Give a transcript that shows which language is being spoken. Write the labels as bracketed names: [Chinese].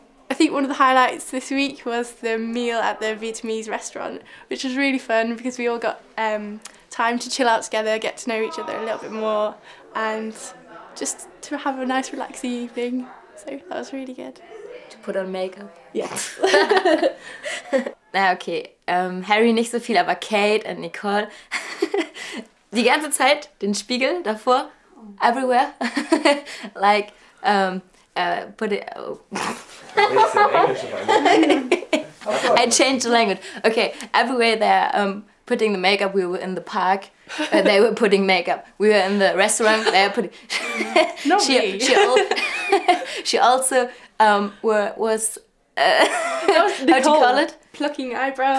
[English] I think one of the highlights this week was the meal at the Vietnamese restaurant, which was really fun because we all got time to chill out together, get to know each other a little bit more, and just to have a nice relaxing evening, so that was really good. To put on makeup. Yes. [German] Na okay, Harri nicht so viel, aber Kate und Nicole, die ganze Zeit den Spiegel davor, [English] everywhere, like, put it... I changed the language. Okay, everywhere they're putting the makeup, we were in the park, they were putting makeup. We were in the restaurant, they were putting... Not she, me. She also was how do you call it? Plucking eyebrows.